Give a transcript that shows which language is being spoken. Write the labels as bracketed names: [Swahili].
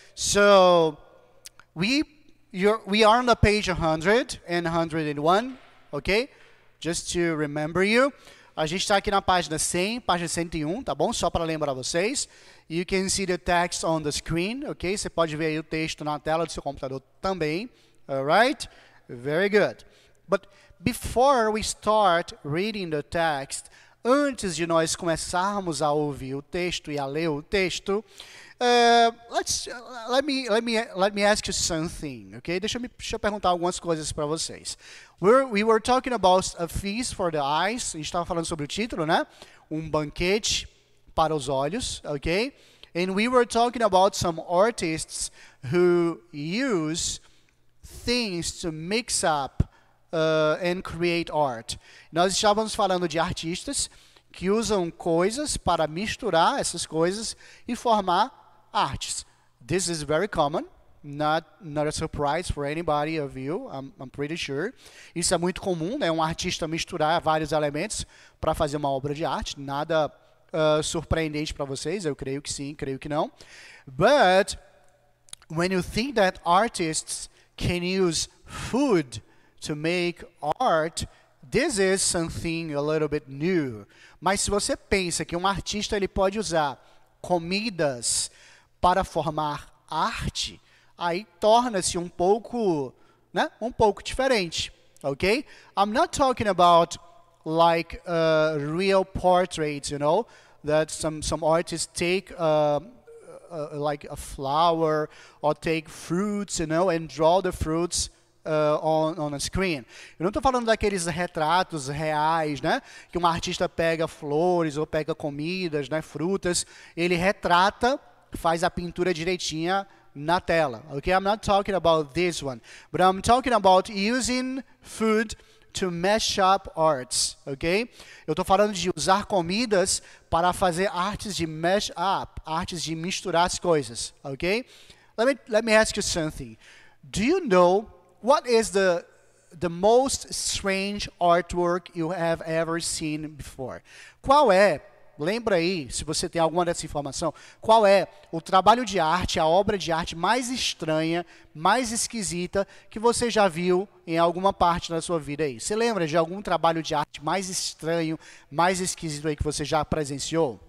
[English] So, we are on the page 100 and 101, okay? Just to remember you. [Portuguese] A gente tá aqui na página 100, página 101, tá bom? Só para lembrar vocês. [English] You can see the text on the screen, okay? [Portuguese] Você pode ver aí o texto na tela do seu computador também. [English] All right? Very good. But before we start reading the text, [Portuguese] antes de nós começarmos a ouvir o texto [English] e a ler o texto, let me ask you something, okay? [Portuguese] Deixa eu perguntar algumas coisas para vocês. [English] We were talking about a feast for the eyes. [Portuguese] A gente estava falando sobre o título, né? Um banquete para os olhos, okay? [English] And we were talking about some artists who use things to mix up and create art. [Portuguese] Nós estávamos falando de artistas que usam coisas para misturar essas coisas e formar artes. [English] This is very common, not a surprise for anybody of you, I'm pretty sure. [Portuguese] Isso é muito comum, né? Um artista misturar vários elementos para fazer uma obra de arte. Nada surpreendente para vocês, eu creio que sim, creio que não. [English] But when you think that artists can use food to make art, this is something a little bit new. [Portuguese] Mas se você pensa que um artista ele pode usar comidas para formar arte, aí torna-se um pouco, né, um pouco diferente, okay? [English] I'm not talking about like real portraits, you know, that some artists take like a flower or take fruits, you know, and draw the fruits on a screen. [Portuguese] Eu não estou falando daqueles retratos reais, né? Que um artista pega flores ou pega comidas, né? Frutas. Ele retrata, faz a pintura direitinha na tela. [English] Okay? I'm not talking about this one. But I'm talking about using food to mash up arts. Okay? [Portuguese] Eu estou falando de usar comidas para fazer artes de mash up, artes de misturar as coisas. [English] Okay? Let me ask you something. Do you know what is the most strange artwork you have ever seen before? [Portuguese] Qual é, lembra aí, se você tem alguma dessa informação, qual é o trabalho de arte, a obra de arte mais estranha, mais esquisita que você já viu em alguma parte da sua vida aí? Você lembra de algum trabalho de arte mais estranho, mais esquisito aí que você já presenciou?